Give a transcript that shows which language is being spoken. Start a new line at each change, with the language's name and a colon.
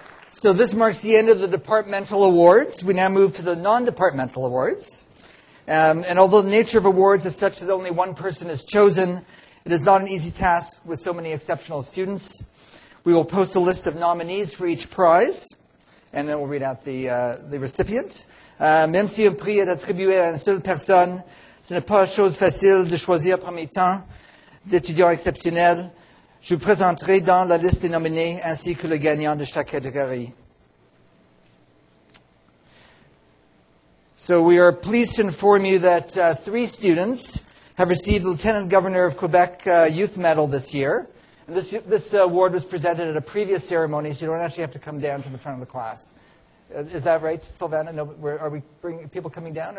English: So this marks the end of the departmental awards. We now move to the non-departmental awards. And although the nature of awards is such that only one person is chosen, it is not an easy task with so many exceptional students. We will post a list of nominees for each prize, and then we'll read out the recipient.
French: Même si un prix est attribué à une seule personne, ce n'est pas chose facile de choisir parmi tant d'étudiants exceptionnels. Je vous présenterai dans la liste des nominés ainsi que le gagnant de chaque catégorie.
English: So we are pleased to inform you that three students have received the Lieutenant Governor of Quebec Youth Medal this year. And this award was presented at a previous ceremony, so you don't actually have to come down to the front of the class. Is that right, Sylvana? No, are we bringing people coming down?